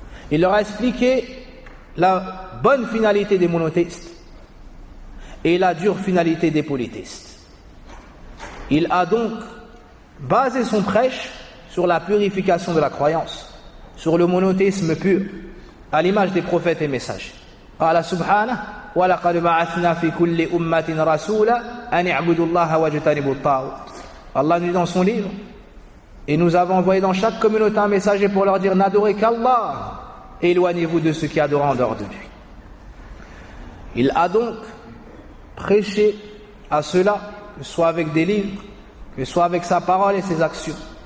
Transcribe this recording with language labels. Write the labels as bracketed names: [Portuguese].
[French] Il leur a expliqué la bonne finalité des monothéistes et la dure finalité des polythéistes. Il a donc basé son prêche sur la purification de la croyance, sur le monothéisme pur, à l'image des prophètes et messagers. [Arabic] Allah subhanahu وَلَقَدْ بَعَثْنَا فِي كُلِّ أُمَّةٍ رَسُولًا أَنْ اِعْبُدُ اللَّهَ وَجْتَنِبُ الطَّاغُوتَ. [French] Allah nous dit dans son livre, et nous avons envoyé dans chaque communauté un messager pour leur dire, n'adorez qu'Allah et éloignez-vous de ceux qui adorent en dehors de lui. Il a donc prêché à cela, que ce soit avec des livres, que ce soit avec sa parole et ses actions.